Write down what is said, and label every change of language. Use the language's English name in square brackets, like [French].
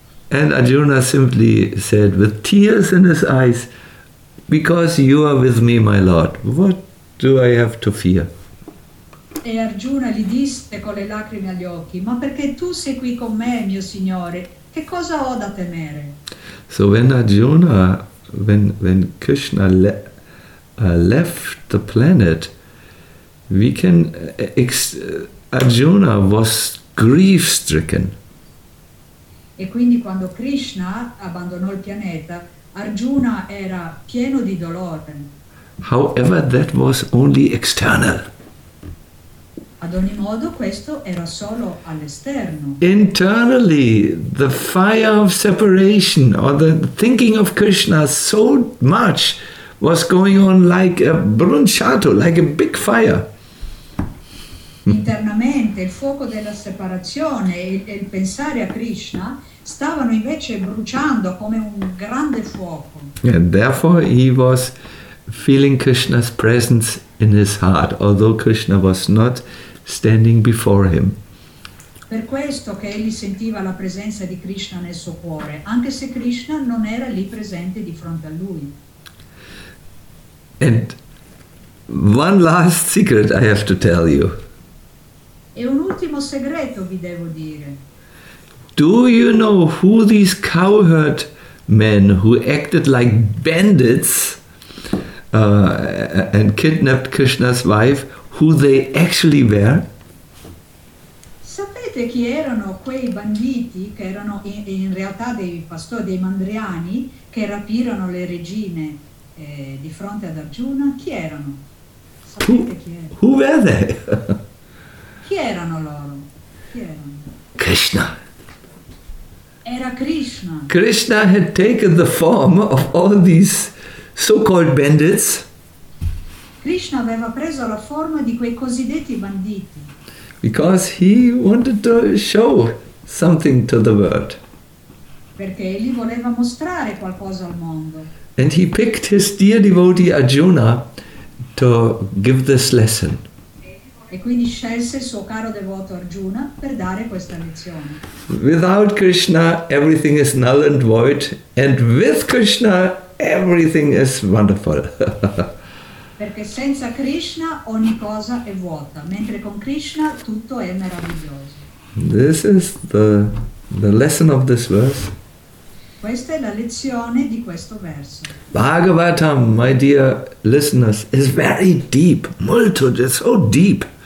[English] And Arjuna simply said with tears in his eyes, because you are with me, my lord, what do I have to fear? [Italian] E Arjuna gli disse con le lacrime agli occhi, ma perché tu sei qui con me, mio signore, che cosa ho da temere? [English] So when Arjuna, when Krishna left the planet, we can, Arjuna was grief-stricken. [Italian] E quindi quando Krishna abbandonò il pianeta, Arjuna era pieno di dolore. [English] However, that was only external. [Italian] Ad ogni modo, questo era solo all'esterno. [English] Internally, the fire of separation or the thinking of Krishna so much was going on like a bruciato, like a big fire. [Italian] Internamente, il fuoco della separazione e il pensare a Krishna stavano invece bruciando come un grande fuoco. [English] And therefore he was feeling Krishna's presence in his heart, although Krishna was not standing before him. [Italian] Per questo che egli sentiva la presenza di Krishna nel suo cuore, anche se Krishna non era lì presente di fronte a lui. [English] And one last secret I have to tell you. [Italian] E un ultimo segreto vi devo dire. [English] Do you know who these cowherd men who acted like bandits and kidnapped Krishna's wife, who they actually were? [Italian] Sapete chi erano quei banditi che erano in realtà dei pastori, dei mandriani che rapirono le regine di fronte ad Arjuna? Chi erano? Sapete [English] who were they? [Italian] Chi erano loro? Chi erano? [English] Krishna. [Italian] Era Krishna. [English] Krishna had taken the form of all these so-called bandits. [Italian] Krishna aveva preso la forma di quei cosiddetti banditi. [English] Because he wanted to show something to the world. [Italian] Perché egli voleva mostrare qualcosa al mondo. [English] And he picked his dear devotee Arjuna to give this lesson. [Italian] E quindi scelse il suo caro devoto Arjuna per dare questa lezione. [English] Without Krishna everything is null and void, and with Krishna everything is wonderful. [Italian] Perché senza Krishna ogni cosa è vuota, mentre con Krishna tutto è meraviglioso. [English] This is the lesson of this verse. [Italian] Questa è la lezione di questo verso. [English] Bhagavatam, my dear listeners, is very deep, molto, so deep.